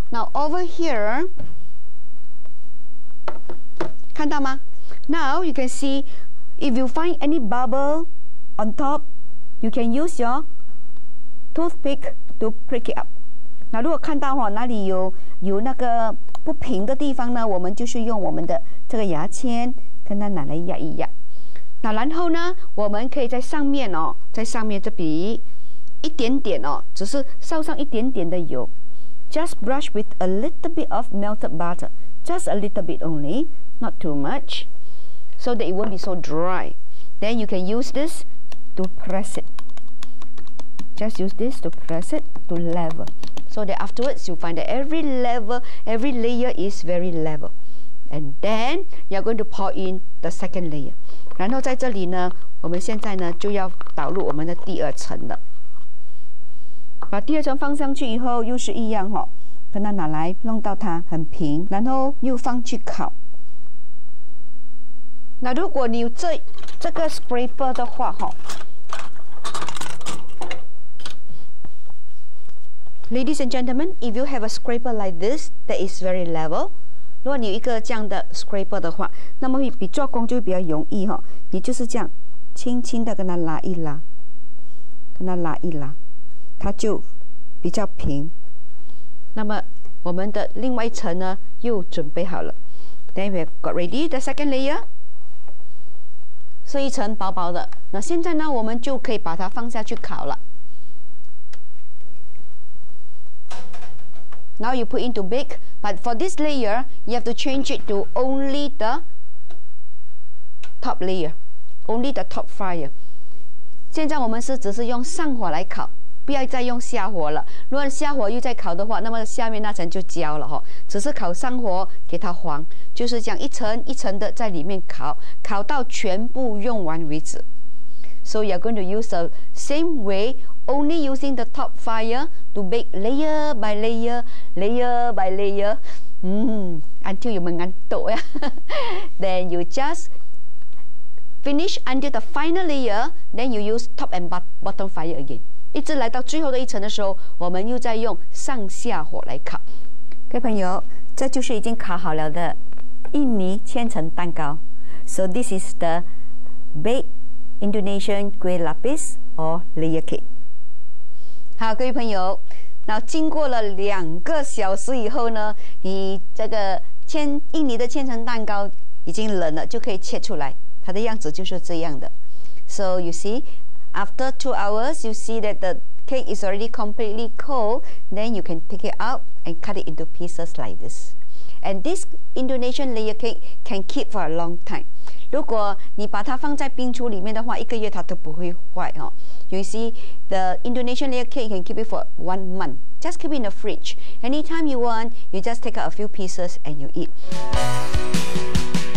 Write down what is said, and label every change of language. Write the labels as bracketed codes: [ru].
[en] Now over here, [zh] 看到吗 [en] ？Now you can see, if you find any bubble on top, you can use your toothpick to prick it up. [zh] 那如果看到哈，哪里有那个不平的地方呢？我们就是用我们的这个牙签跟它拿来压一压。那然后呢，我们可以在上面哦，在上面这笔。一点点哦，只是烧上一点点的油 [en] ，just brush with a little bit of melted butter, just a little bit only, not too much, so that it won't be so dry. Then you can use this to press it. Just use this to press it to level, so that afterwards you find that every layer is very level. And then you are going to pour in the second layer. [zh] 然后在这里呢，我们现在呢就要倒入我们的第二层了。把第二层放上去以后，又是一样哈、哦，跟它拿来弄到它很平，然后又放去烤。那如果你有这个 scraper 的话哈、哦、， [en] ladies and gentlemen, if you have a scraper like this, that is very level. [zh] 如果你有一个这样的 scraper 的话，那么比做工就会比较容易哈、哦。你就是这样轻轻的跟它拉一拉，跟它拉一拉。它就比较平，那么我们的另外一层呢又准备好了。 [en] Then we've got ready the second layer. [zh] 是一层薄薄的。那现在呢我们就可以把它放下去烤了。 [en] Now you put into bake, but for this layer, you have to change it to only the top layer, only the top fire. [zh] 现在我们是只是用上火来烤，不要再用下火了。如果下火又再烤的话，那么下面那层就焦了哈。只是烤上火给它黄，就是这样一层一层的在里面烤，烤到全部用完为止。 [en] So you are going to use the same way, only using the top fire to bake layer by layer, layer by layer, until you 蒙安多呀。 Then you just finish until the final layer, then you use top and bottom fire again. [zh] 一直来到最后的一层的时候，我们又再用上下火来烤。各位朋友，这就是已经烤好了的印尼千层蛋糕。 [en] So this is the baked Indonesian kueh lapis or layer cake. [zh] 好，各位朋友，那经过了两个小时以后呢，你这个印尼的千层蛋糕已经冷了，就可以切出来。它的样子就是这样的。 [en] So you see, after 2 hours, you see that the cake is already completely cold. Then you can take it out and cut it into pieces like this. And this Indonesian layer cake can keep for a long time. [zh] 如果你把它放在冰橱里面的话，一个月它都不会坏哦。 [en] You see, the Indonesian layer cake can keep it for 1 month. Just keep it in the fridge. Anytime you want, you just take out a few pieces and you eat.